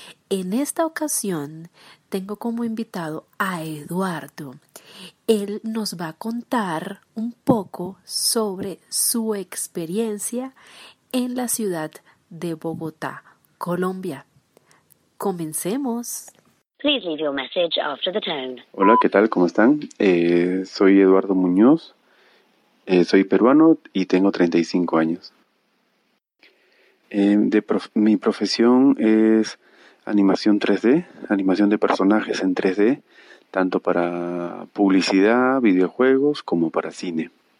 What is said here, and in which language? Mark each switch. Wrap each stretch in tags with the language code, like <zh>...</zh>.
<es>En esta ocasión tengo como invitado a Eduardo. Él nos va a contar un poco sobre su experiencia en la ciudad de Bogotá, Colombia. Comencemos.</es> <en>Please leave your message after the tone.</en> <es>Hola, ¿qué tal? ¿Cómo están? Soy Eduardo Muñoz, soy peruano y tengo 35 años. Mi profesión es animación 3D, animación de personajes en 3D, tanto para publicidad, videojuegos, como para cine.</es>